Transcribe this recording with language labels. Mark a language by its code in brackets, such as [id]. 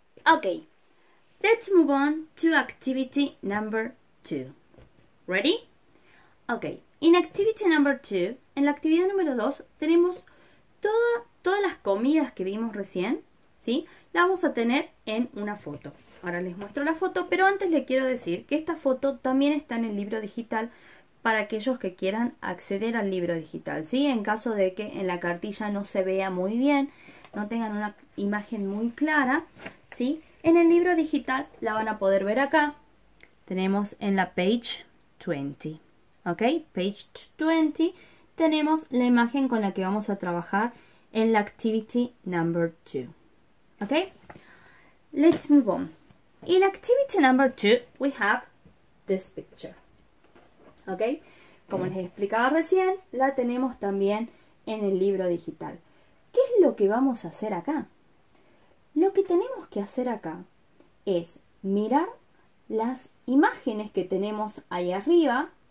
[en] Okay, let's move on to activity number two. Ready? Okay, in activity number two, [es] en la actividad número dos, tenemos todas las comidas que vimos recién, ¿sí? La vamos a tener en una foto. Ahora les muestro la foto, pero antes les quiero decir que esta foto también está en el libro digital para aquellos que quieran acceder al libro digital, ¿sí? En caso de que en la cartilla no se vea muy bien, no tengan una imagen muy clara, ¿sí? En el libro digital la van a poder ver acá. tenemos en la page 20. ¿Ok? Page 20, tenemos la imagen con la que vamos a trabajar en la activity number 2. [en] ¿Ok? Let's move on. In activity number 2, we have this picture. ¿Ok? [es] Como les explicaba recién, la tenemos también en el libro digital. ¿Qué es lo que vamos a hacer acá? Lo que tenemos que hacer acá es mirar las imágenes que tenemos ahí arriba.